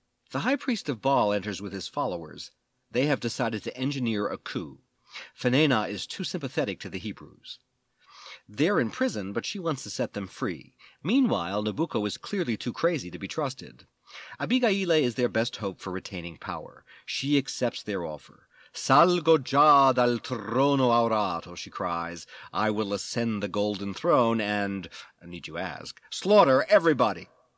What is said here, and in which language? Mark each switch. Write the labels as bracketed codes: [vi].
[en] The high priest of Baal enters with his followers. They have decided to engineer a coup. Phanena is too sympathetic to the Hebrews. They're in prison, but she wants to set them free. Meanwhile, Nabucco is clearly too crazy to be trusted. Abigail is their best hope for retaining power. She accepts their offer. [it] Salgo già dal trono aurato, [en] she cries. I will ascend the golden throne and, need you ask, slaughter everybody.